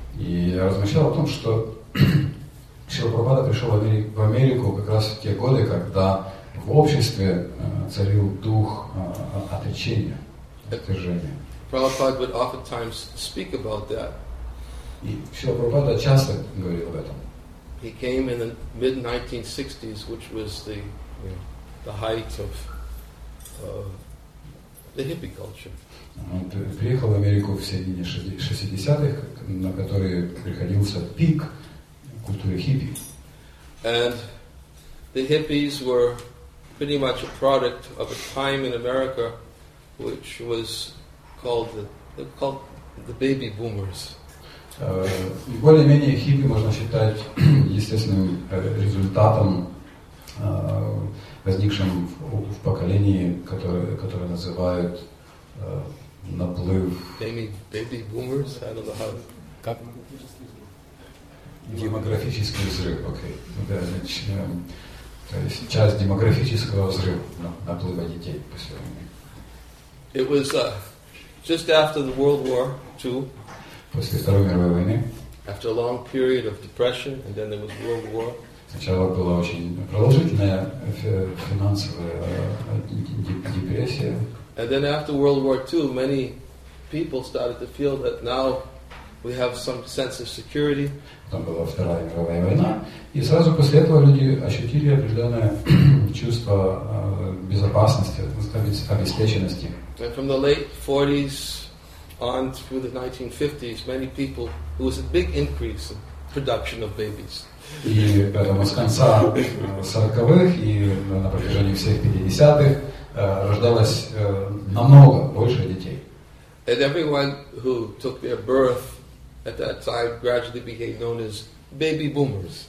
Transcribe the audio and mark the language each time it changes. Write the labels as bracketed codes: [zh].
[ru] И я размышлял о том, что Шрила Прабхупада пришел в Америку как раз в те годы, когда в обществе царил дух отречения, отвержения. [en] Prabhupada would oftentimes speak about that. [ru] И Шрила Прабхупада часто говорил об этом. [en] He came in the mid-1960s, which was the height of the hippie culture. [ru] Он приехал в Америку в середине 60-х, на который приходился пик культуры хиппи. [en] And the hippies were pretty much a product of a time in America which was called the baby boomers. [ru] Более-менее хиппи можно считать естественным результатом, возникшим в поколении, которое называют наплыв... [en] Baby boomers? I don't know how... [ru] Как? Демографический взрыв, окей. Да, значит, то есть часть демографического взрыва, наплыва детей после войны. [en] It was just after the World War II. [ru] После Второй мировой войны. [en] After a long period of depression, and then there was World War. [ru] Сначала была очень продолжительная финансовая депрессия. [en] And then after World War II, many people started to feel that now we have some sense of security. [ru] Потом была Вторая мировая война, и сразу после этого люди ощутили определенное чувство безопасности, обеспеченности. [en] And from the late 40s on through the 1950s, many people, there was a big increase in production of babies. [ru] И поэтому с конца 40-х и на протяжении всех 50-х рождалось намного больше детей. [en] And everyone who took their birth at that time gradually became known as baby boomers.